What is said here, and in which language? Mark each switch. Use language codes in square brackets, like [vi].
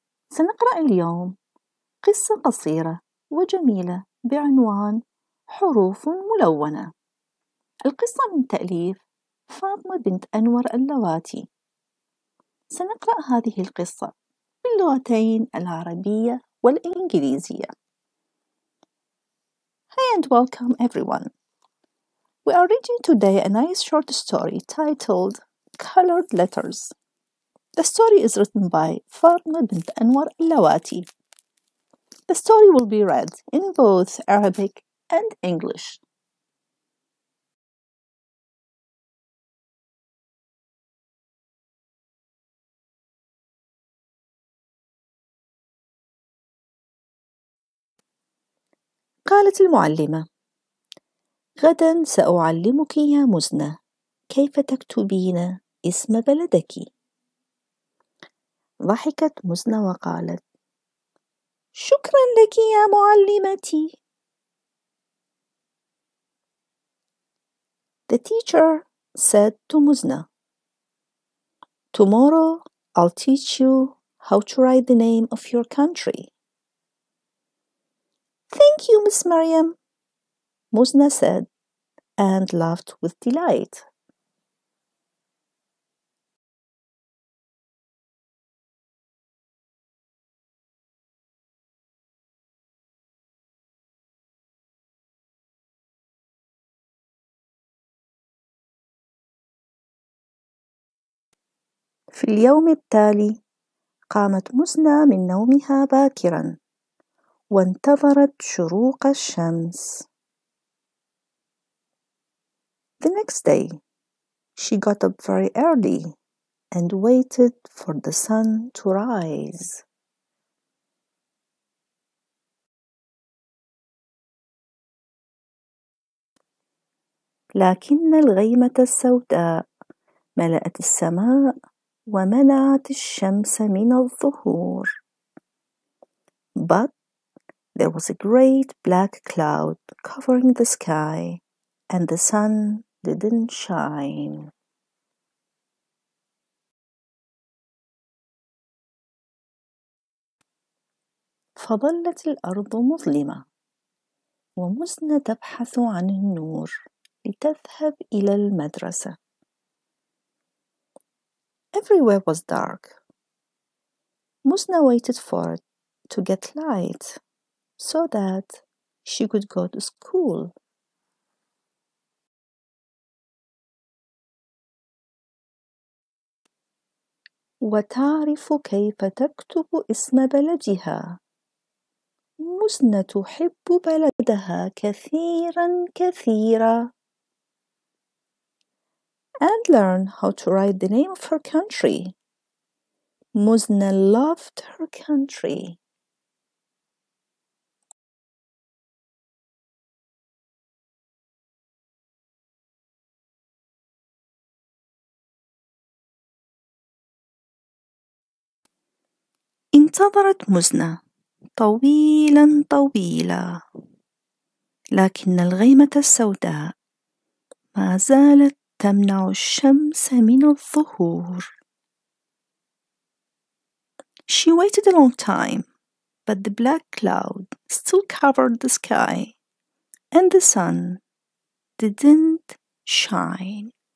[ar] سنقرأ اليوم قصة قصيرة وجميلة بعنوان حروف ملونة. القصة من تأليف فاطمة بنت أنور اللواتي. سنقرأ هذه القصة باللغتين العربية والإنجليزية. [en] Hi and welcome everyone. We are reading today a nice short story titled Colored Letters. The story is written by Fatima bint Anwar Al Lawati. The story will be read in both Arabic and English. [ar] قالت المعلمة: غدا سأعلمك يا مزنة كيف تكتبين اسم بلدك. ضحكت مزنة وقالت: شكرا لك يا معلمتي. [en] The teacher said to Muzna, Tomorrow I'll teach you how to write the name of your country. Thank you, Miss Maryam, Muzna said and laughed with delight. [ar] في اليوم التالي قامت مزنة من نومها باكرا وانتظرت شروق الشمس. [en] The next day, she got up very early and waited for the sun to rise. [ar] لكن الغيمة السوداء ملأت السماء ومنعت الشمس من الظهور. [en] But there was a great black cloud covering the sky and the sun didn't shine. [ar] فظلت الأرض مظلمة ومزنة تبحث عن النور لتذهب إلى المدرسة. [en] Everywhere was dark. Muzna waited for it to get light so that she could go to school. [ar] وتعرف كيف تكتب اسم بلدها. Muzna تحب بلدها كثيرا كثيرا. [en] And learn how to write the name of her country. Muzna loved her country. [ar] انتظرت مزنة طويلا طويلا لكن الغيمة السوداء ما زالت تمنع الشمس من الظهور. [en] She waited a long time, but the black cloud still covered the sky, and the sun didn't shine.